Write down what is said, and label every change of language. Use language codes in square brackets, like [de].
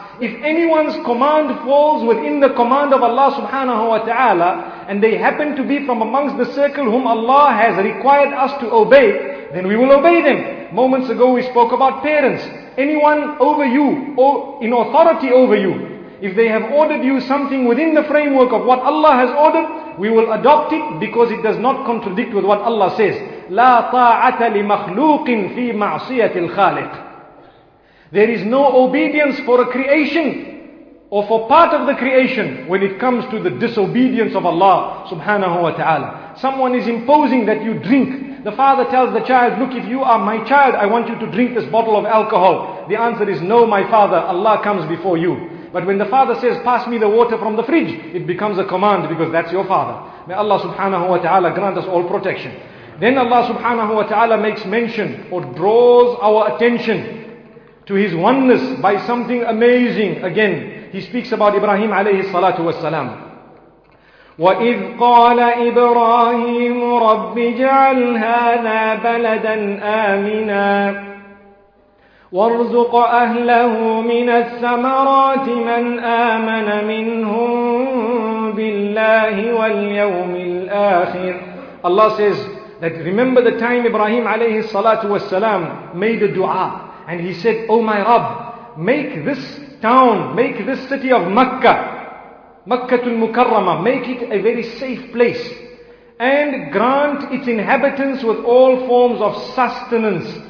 [en] If anyone's command falls within the command of Allah subhanahu wa ta'ala, and they happen to be from amongst the circle whom Allah has required us to obey, then we will obey them. Moments ago we spoke about parents. Anyone over you, or in authority over you, if they have ordered you something within the framework of what Allah has ordered, we will adopt it because it does not contradict with what Allah says. [ar] لا طاعة لمخلوق في معصية الخالق. [en] There is no obedience for a creation or for part of the creation when it comes to the disobedience of Allah subhanahu wa ta'ala. Someone is imposing that you drink. The father tells the child, look, if you are my child, I want you to drink this bottle of alcohol. The answer is, no, my father, Allah comes before you. But when the father says, pass me the water from the fridge, it becomes a command because that's your father. May Allah subhanahu wa ta'ala grant us all protection. Then Allah subhanahu wa ta'ala makes mention or draws our attention to His oneness by something amazing. Again, He speaks about Ibrahim alayhi salatu wassalam. [ar] وَإِذْ قَالَ إِبْرَاهِيمُ رَبِّ اجْعَلْ هَذَا بَلَدًا آمِنًا وارزق أهله من الثمرات من آمن منهم بالله واليوم الآخر. [en] Allah says that, remember the time Ibrahim alayhi salatu wasalam made a dua, and he said, oh my Rabb, make this town, make this city of Makkah, Makkah al-Mukarramah, make it a very safe place, and grant its inhabitants with all forms of sustenance.